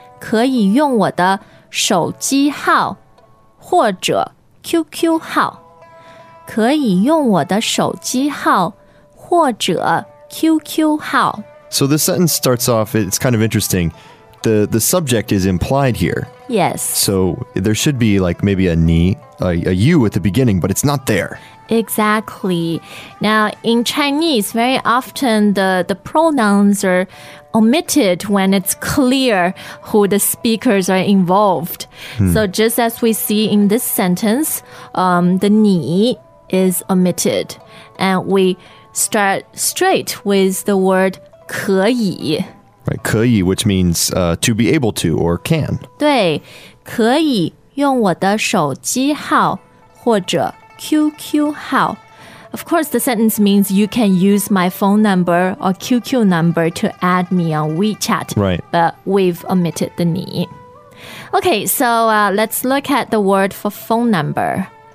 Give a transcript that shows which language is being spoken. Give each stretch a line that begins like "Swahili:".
Chinese: 可以用我的手机号或者QQ号。可以用我的手机号或者QQ号。
English: So the sentence starts off, it's kind of interesting. The subject is implied here. Yes. So there should be like maybe a 你, a you at the beginning, but it's not there. Exactly. Now, in Chinese, very often the pronouns are omitted when it's clear who the speakers are involved. So just as we see in this sentence, the 你 is omitted. And we start straight with the word 可以. Right, 可以, which means to be able to or can.
Chinese: 对,可以用我的手机号或者 QQ号.
English: Of course, the sentence means you can use my phone number or QQ number to add me on WeChat. Right. But we've omitted the 你. Okay, so let's look at the word for phone number.